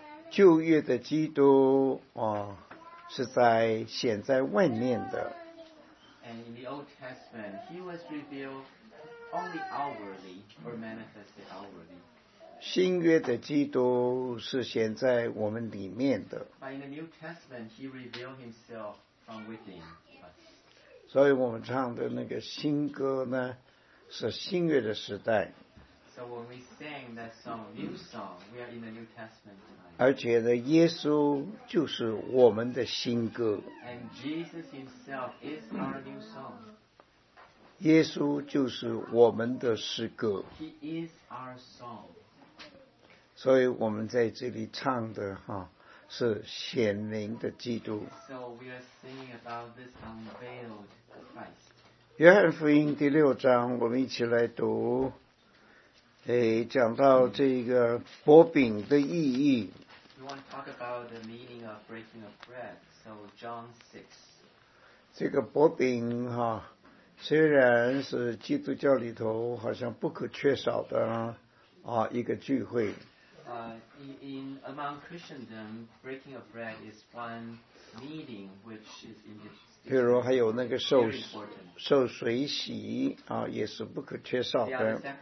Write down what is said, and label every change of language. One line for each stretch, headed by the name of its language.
Chinese: 旧约的基督是在显在外面的。
English: And in the Old Testament, he was revealed only outwardly or manifested outwardly.
Chinese: 新约的基督是显在我们里面的。
English: But in the New Testament, he revealed himself from within us.
Chinese: 所以我们唱的那个新歌呢，是新约的时代。
English: So when we sang that song, new song, we are in the New Testament tonight.
Chinese: 而且呢，耶稣就是我们的新歌。
English: And Jesus himself is our new song.
Chinese: 耶稣就是我们的诗歌。
English: He is our song.
Chinese: 所以我们在这里唱的哈，是显明的基督。
English: So we are singing about this unveiled Christ.
Chinese: 约翰福音第六章，我们一起来读。讲到这个薄饼的意义。
English: We want to talk about the meaning of breaking of bread. So John 6.
Chinese: 这个薄饼哈，虽然是基督教里头好像不可缺少的一个聚会。
English: In among Christendom, breaking of bread is one meeting which is in the.
Chinese: 比如还有那个受水洗也是不可缺少的。